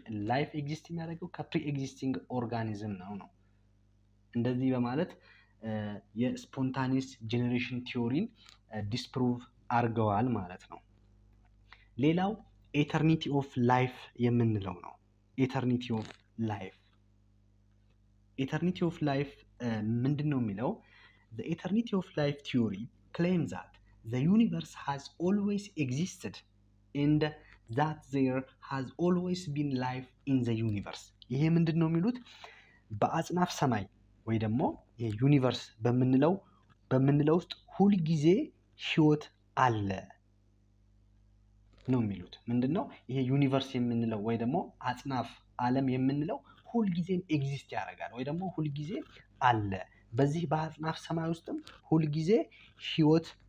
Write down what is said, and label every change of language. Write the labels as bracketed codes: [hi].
[am] ላይፍ ኤግዚስት የሚያደርገው ከፕሪ ኤግዚስቲንግ ኦርጋኒዝም ነው ነው። እንደዚህ በማለት የስፖንታኒየስ ጄኔሬሽን ቲዮሪን ዲስፕሩቭ አድርገዋል ማለት ነው። ሌላው ኤተርኒቲ ኦፍ ላይፍ የምንለው ነው። ኤተርኒቲ ኦፍ ላይፍ ኤተርኒቲ ኦፍ ላይፍ ምንድን ነው የሚለው? [en] The eternity of life theory claims that the universe has always existed and that there has always been life in the universe. [am] ይሄ ምንድን ነው የሚሉት? በአጽናፍ ሰማይ ወይ ደግሞ የዩኒቨርስ በምንለው ውስጥ ሁል ጊዜ ህይወት አለ ነው የሚሉት። ምንድነው ይሄ ዩኒቨርስ የምንለው ወይ ደግሞ አጽናፍ ዓለም የምንለው ሁል ጊዜም ኤግዚስት ያደርጋል ወይ ደግሞ ሁል ጊዜ አለ። በዚህ በአጽናፍ ሰማይ ውስጥም ሁል ጊዜ ህይወት